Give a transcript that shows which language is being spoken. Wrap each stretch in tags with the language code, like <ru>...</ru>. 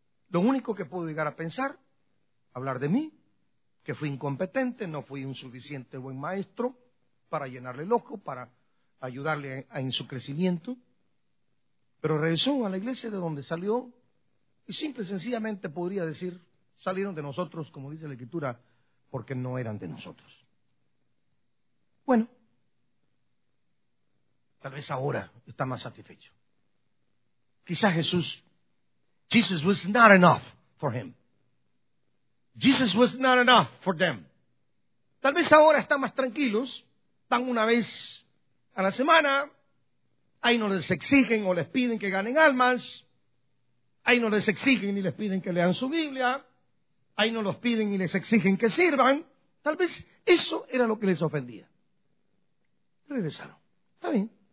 <es>Lo único que puedo llegar a pensar, hablar de mí, que fui incompetente, no fui un suficiente buen maestro para llenarle el ojo, para ayudarle en su crecimiento, pero regresó a la iglesia de donde salió y simple y sencillamente podría decir, salieron de nosotros, como dice la Escritura, porque no eran de nosotros. Bueno, tal vez ahora está más satisfecho. Quizás Jesús,</es> <en>Jesus was not enough for him. Jesus was not enough for them.</en> <es>Tal vez ahora están más tranquilos, van una vez a la semana, ahí no les exigen o les piden que ganen almas, ahí no les exigen ni les piden que lean su Biblia, ahí no los piden y les exigen que sirvan. Tal vez eso era lo que les ofendía. Regresaron. Está bien.</es>